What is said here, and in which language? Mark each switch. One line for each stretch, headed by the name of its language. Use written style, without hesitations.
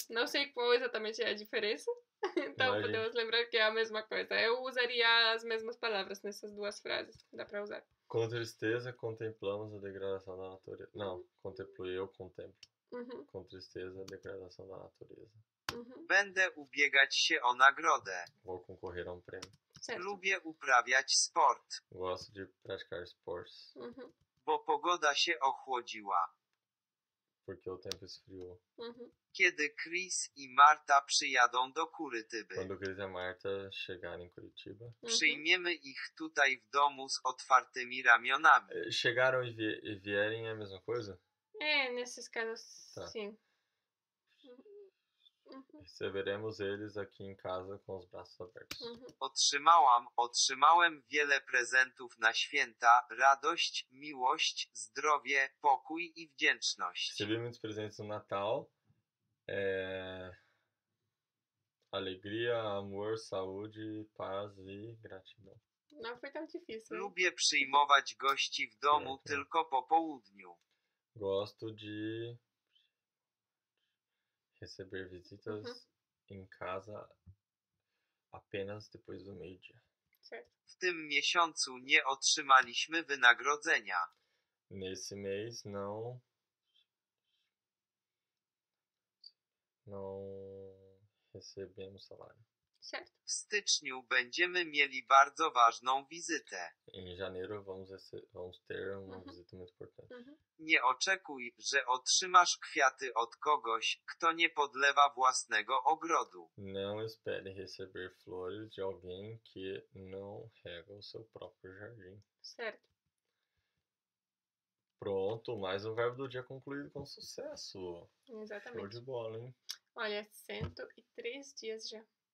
Portuguese: Não sei qual exatamente é a diferença. Então, Mas a gente. podemos lembrar que é a mesma coisa. Eu usaria as mesmas palavras nessas duas frases. Dá para usar. Com tristeza contemplamos a degradação da natureza. Não, contemplo eu, contemplo. Com tristeza a degradação da natureza.
Polish: Będę ubiegać się o nagrodę.
Portuguese: Vou concorrer a um prêmio. Certo.
Polish: Lubię uprawiać sport.
Portuguese: Gosto de praticar esportes.
Polish: Bo pogoda się ochłodziła.
Portuguese: Porque o tempo esfriou.
Polish: Kiedy Chris i Marta przyjadą do Curitiby?
Portuguese: Quando Cris e Marta chegarem em Curitiba.
Polish: Przyjmiemy ich tutaj w domu z otwartymi ramionami.
Portuguese: Chegaram e vierem é a mesma coisa? É, nesses casos, Tá. sim. Receberemos eles aqui em casa com os braços abertos.
Polish: Otrzymałem wiele prezentów na święta: radość, miłość, zdrowie, pokój i wdzięczność.
Portuguese: Recebi muitos presentes no Natal. Alegria, amor, saúde, paz e gratidão. Não foi tão difícil,
Polish: Lubię przyjmować gości w
Portuguese: hein? Pior
Polish: domu
Portuguese: que não.
Polish: tylko po południu.
Portuguese: Gosto de receber visitas em casa apenas depois do meio-dia.
Polish: W tym miesiącu nie otrzymaliśmy wynagrodzenia.
Portuguese: Nesse mês não. Não recebemos salário. Certo.
Polish: W styczniu będziemy mieli bardzo ważną wizytę.
Portuguese: Em janeiro vamos ter uma visita muito importante.
Polish: Nie oczekuj, że otrzymasz kwiaty od kogoś, kto nie podlewa własnego ogrodu.
Portuguese: Não espere receber flores de alguém que não rega o seu próprio jardim. Certo. Pronto, mais um verbo do dia concluído com sucesso. Show de Exatamente. bola, hein? Olha, 103 dias já.